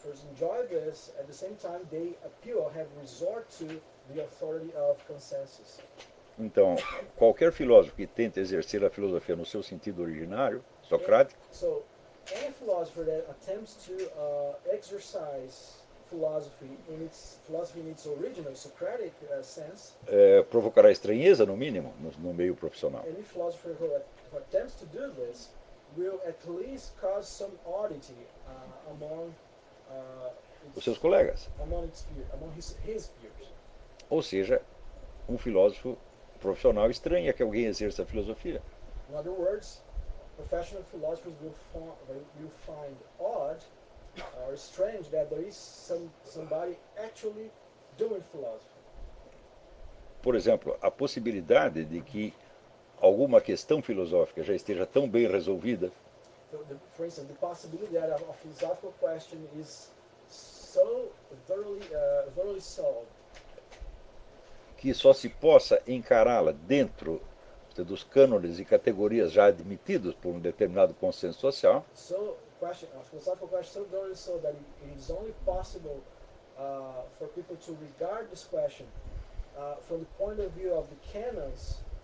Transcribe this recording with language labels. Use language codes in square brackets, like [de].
[en] Enjoy this at the same time they appeal or have resort to the authority of consensus. [pt] Então, qualquer filósofo que tente exercer a filosofia no seu sentido originário, socrático, [en] so any philosopher that attempts to exercise philosophy in its original Socratic sense, [pt] provocará estranheza no mínimo no meio profissional. [en] Any philosopher who attempts to do this will at least cause some oddity among [pt] os seus colegas. [en] Among his peers. [pt] Ou seja, um filósofo profissional estranha que alguém exerça a filosofia. [en] In other words, professional philosophers will find odd or strange that there is somebody actually doing philosophy. [pt] Por exemplo, a possibilidade de que alguma questão filosófica já esteja tão bem resolvida. [en] For instance, the possibility that a philosophical question is so thoroughly solved. [pt] Que só se possa encará-la dentro dos cânones e categorias já admitidos por um determinado consenso social. [en] So, a philosophical question is so thoroughly solved that it is only possible for people to regard this question from the point of view of the canons.